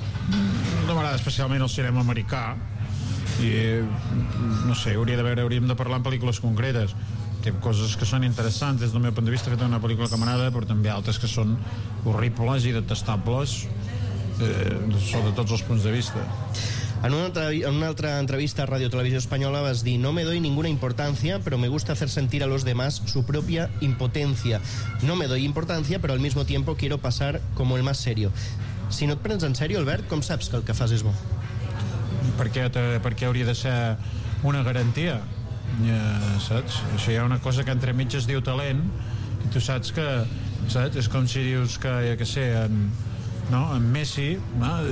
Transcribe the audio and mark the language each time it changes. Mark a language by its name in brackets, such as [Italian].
[Catalan] No m'agrada especialment el cinema americà. I, no sé, hauríem de parlar en pel·lícules concretes. Té coses que són interessants des del meu punt de vista, fet una pel·lícula que m'agrada, però també altres que són horribles i detestables sota tots els punts de vista. En una altra entrevista a Radio Televisió Espanyola vas dir: [Spanish] no me doy ninguna importancia, pero me gusta hacer sentir a los demás su propia impotencia. No me doy importancia, pero al mismo tiempo quiero pasar como el más serio. [Catalan] Si no et prens en sèrio, Albert, com saps que el que fas és bo? Perquè hauria de ser una garantia, ja, saps? Això, hi ha una cosa que entre mig es diu talent, i tu saps que, saps? És com si dius que, ja que sé, en, no, en Messi, no?